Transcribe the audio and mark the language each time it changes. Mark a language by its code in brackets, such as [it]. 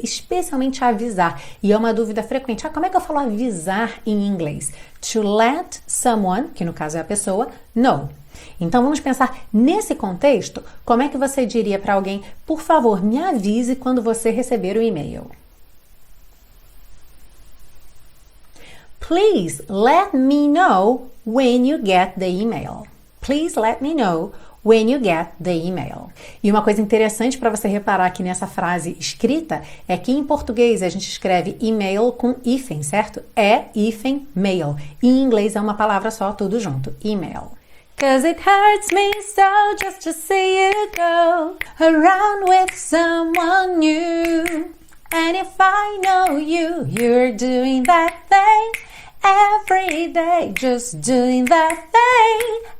[pt] Especialmente avisar. E é uma dúvida frequente. Ah, como é que eu falo avisar em inglês? [en] To let someone, [pt] que no caso é a pessoa, [en] know. [pt] Então, vamos pensar nesse contexto, como é que você diria para alguém, por favor, me avise quando você receber o e-mail. [en] Please let me know when you get the email. Please let me know when you get the email. [pt] E uma coisa interessante para você reparar aqui nessa frase escrita é que em português a gente escreve e-mail com hífen, certo? É hífen mail. E em inglês é uma palavra só, tudo junto, e-mail. [en] Cause it hurts me so just to see you go around with someone new. And if I know you, you're doing that thing every day, just doing that thing.